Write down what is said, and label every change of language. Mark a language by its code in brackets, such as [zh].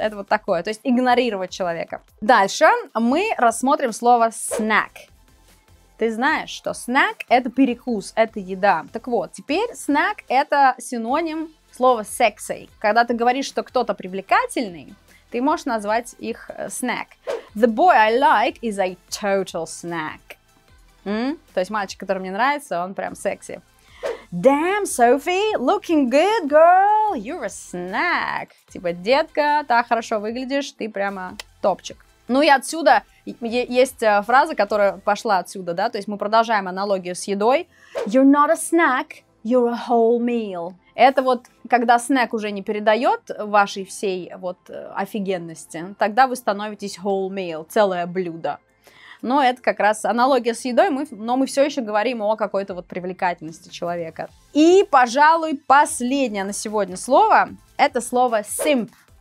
[ru] Это вот такое, то есть игнорировать человека. Дальше мы рассмотрим слово snack. Ты знаешь, что snack это перекус, это еда. Так вот, теперь snack это синоним слова sexy. Когда ты говоришь, что кто-то привлекательный, ты можешь назвать их snack. [en] The boy I like is a total snack. [ru] То есть мальчик, который мне нравится, он прям секси. [en] Damn, Sophie, looking good, girl, you're a snack. [ru] Типа, детка, так хорошо выглядишь, ты прямо топчик. Ну и отсюда есть фраза, которая пошла отсюда, да, то есть мы продолжаем аналогию с едой. [en] You're not a snack, you're a whole meal. [ru] Это вот, когда снэк уже не передает вашей всей вот офигенности, тогда вы становитесь whole meal, целое блюдо. Но это как раз аналогия с едой, но мы все еще говорим о какой-то вот привлекательности человека. И, пожалуй, последнее на сегодня слово, это слово simp.